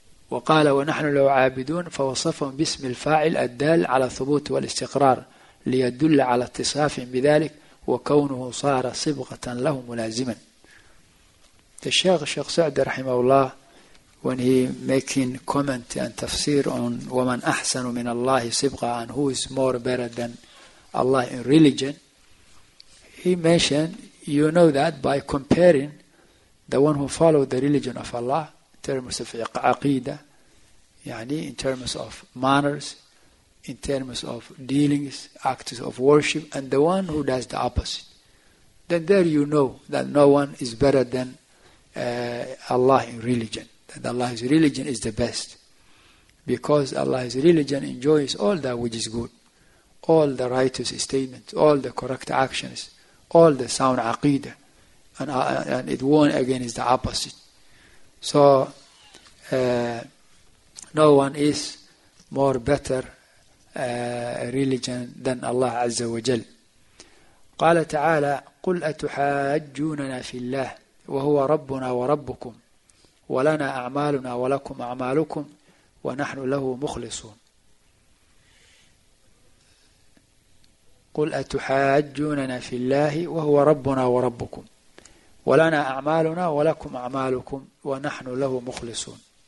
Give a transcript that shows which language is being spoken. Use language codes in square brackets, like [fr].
[ar] وقال ونحن لو عابدون فوصفهم باسم الفاعل الدال على الثبوت والاستقرار ليدل على اتصاف بذلك، وكونه صار صبغة له ملازما. الشيخ سعد رحمه الله [en] when he making comment and tafsir on [ar] وَمَنْ أَحْسَنُ مِنَ اللَّهِ صِبْغَةً [en] and who is more better than Allah in religion, he mentioned, you know that by comparing the one who followed the religion of Allah in terms of عقيده, يعني in terms of manners, in terms of dealings, acts of worship, and the one who does the opposite, then there you know that no one is better than Allah in religion. That Allah's religion is the best, because Allah's religion enjoys all that which is good, all the righteous statements, all the correct actions, all the sound aqidah, and it won against the opposite. So no one is more better religion than Allah Azza wa Jal. [ar] قال تعالى قل أتحاجوننا في الله وهو ربنا وربكم ولنا أعمالنا ولكم أعمالكم ونحن له مخلصون. قل أتحاجوننا في الله وهو ربنا وربكم ولنا أعمالنا ولكم أعمالكم ونحن له مخلصون.